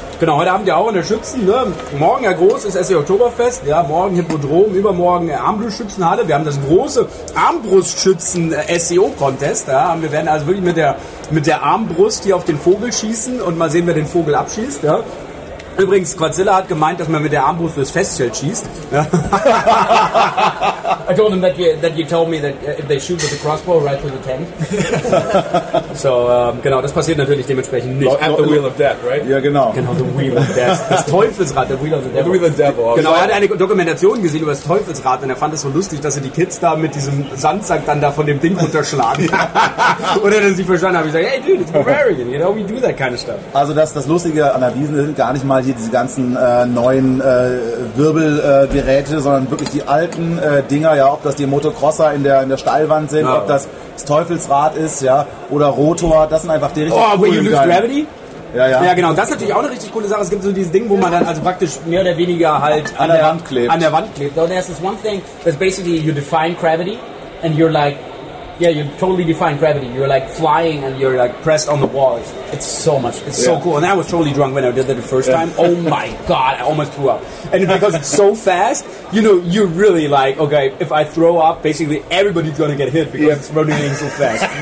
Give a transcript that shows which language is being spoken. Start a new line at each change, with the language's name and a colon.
German: Genau, heute Abend ja auch in der Schützen, ne? Morgen ja groß ist SE Oktoberfest, ja, morgen Hippodrom, übermorgen Armbrustschützenhalle. Wir haben das große Armbrustschützen SEO Contest, ja, und wir werden also wirklich mit der Armbrust hier auf den Vogel schießen und mal sehen, wer den Vogel abschießt, ja. Übrigens, Quadzilla hat gemeint, dass man mit der Armbrust fürs Festzelt schießt.
English: I told him that you told me that if they shoot with the crossbow right through the tent.
German: So, genau, das passiert natürlich dementsprechend nicht.
English: At the wheel of death, right?
German: Ja, genau. Genau,
English: the wheel of death.
German: Das Teufelsrad,
English: the wheel of the devil. The wheel of the devil.
German: Genau, er hat eine Dokumentation gesehen über das Teufelsrad und er fand es so lustig, dass er die Kids da mit diesem Sandsack dann da von dem Ding runterschlagen. Und er dann sie verstanden hat. Ich sage,
English: hey, dude, it's Bavarian, you know, we do that kind of stuff.
German: Also, das Lustige an der Wiesn ist gar nicht mal hier diese ganzen neuen Wirbelgeräte, sondern wirklich die alten Dinger, ja, ob das die Motocrosser in der Steilwand sind, ob das das Teufelsrad ist, ja, oder Rotor, das sind einfach die richtig coolen.
English: Oh, where you lose gravity?
German: Ja, ja. Ja, genau. Das ist natürlich auch eine richtig coole Sache. Es gibt so dieses Ding, wo man dann also praktisch mehr oder weniger halt an der Wand klebt.
English: So there's this one thing, that's basically you define gravity and you're like, yeah, you totally define gravity. You're like flying and you're like pressed on the walls. It's so much. It's so cool. And I was totally drunk when I did that the first time. Oh my God, I almost threw up. And because it's so fast, you know, you're really like, okay, if I throw up, basically everybody's going to get hit because it's running so fast.